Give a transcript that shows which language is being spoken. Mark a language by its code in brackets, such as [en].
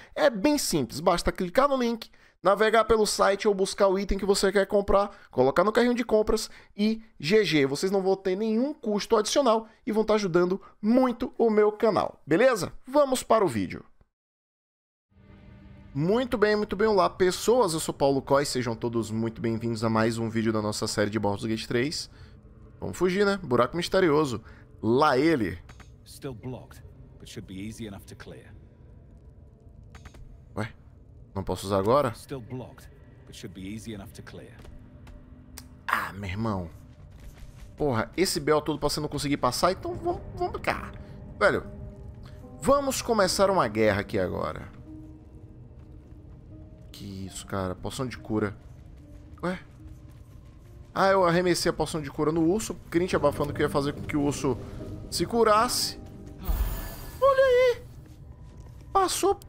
[pt] É bem simples, basta clicar no link, navegar pelo site ou buscar o item que você quer comprar, colocar no carrinho de compras e GG, vocês não vão ter nenhum custo adicional e vão estar ajudando muito o meu canal, beleza? Vamos para o vídeo. Muito bem, olá pessoas, eu sou Paulo Kois, sejam todos muito bem-vindos a mais um vídeo da nossa série de Baldur's Gate 3. Vamos fugir, né? Buraco misterioso. Lá ele. [en] Still blocked, but should be easy enough to clear. [pt] Ué? Não posso usar agora? [en] Still blocked, but should be easy enough to clear. [pt] Ah, meu irmão. Porra, esse BO todo pra você não conseguir passar, então vamos cá. Velho, vamos começar uma guerra aqui agora. Que isso, cara? Poção de cura. Ué? Ah, eu arremessei a poção de cura no urso. Crente abafando que ia fazer com que o urso se curasse. Olha aí! Passou.